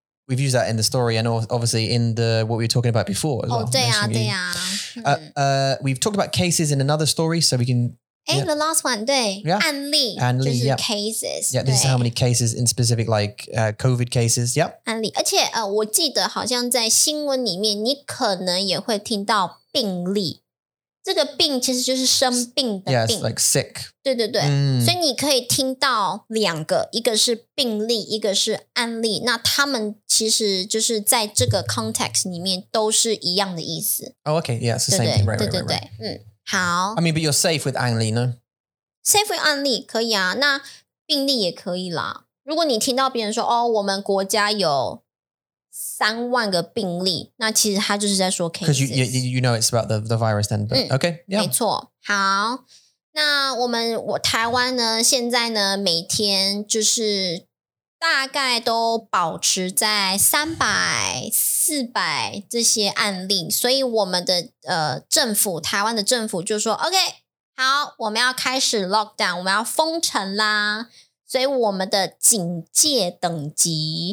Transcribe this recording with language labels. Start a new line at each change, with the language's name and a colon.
English: We've used that in the story and obviously in the, what we were talking about before. As oh, well,
Chinese: 对啊对啊、
English: We've talked about cases in another story, so we can... Hey, yeah. The last one, 对。 Yeah.
Chinese: 案例。案例, 就是 cases.
English: Yeah, this is how many cases in specific, like COVID cases. Yep.
Chinese: 案例。而且我记得好像在新闻里面你可能也会听到病例。这个病其实就是生病的病。
English: Yeah, it's like sick.
Chinese: 对对对。 Mm. 所以你可以听到两个,一个是病例,一个是案例。那他们其实就是在这个 context 里面都是一样的意思。
English: Oh, okay, yeah, it's the same thing, right,
Chinese: 对对对
English: right.
Chinese: 好。
English: I mean, but you're safe with 案例, no? Safe with
Chinese: 案例,可以啊。那病例也可以啦。如果你听到别人说,哦,我们国家有三万个病例，那其实他就是在说 cases。
English: Because you know it's about the virus then, but、okay, yeah.
Chinese: 没错。好，那我台湾呢，现在呢，每天就是大概都保持在300-400这些案例，所以我们的政府，台湾的政府就说 OK， 好，我们要开始 lockdown， 我们要封城啦，所以我们的警戒等级。